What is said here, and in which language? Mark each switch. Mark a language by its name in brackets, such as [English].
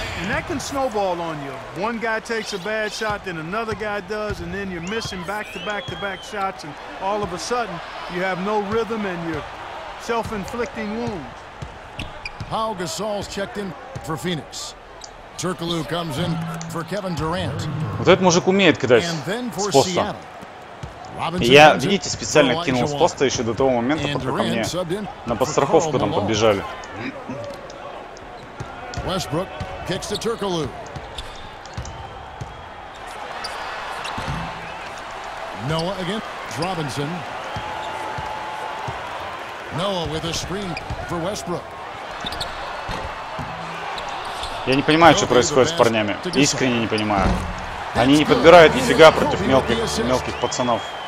[English] And that can snowball on you. One guy takes a bad shot, then another guy does, and then you're missing back-to-back-to-back shots, and all of a sudden, you have no rhythm, and you're self-inflicting wounds. Pau Gasol's checked in for Phoenix. Turkoglu comes in for Kevin Durant. [Russian] Вот этот мужик умеет кидать с поста. Я, видите, специально кинул с поста еще до того момента, пока ко мне на подстраховку там подбежали. [English] Westbrook kicks to Turkoglu. Noah against Robinson. Noah with a screen for Westbrook. [Russian] Я не понимаю, что происходит с парнями. Искренне не понимаю. Они не подбирают нифига против мелких пацанов.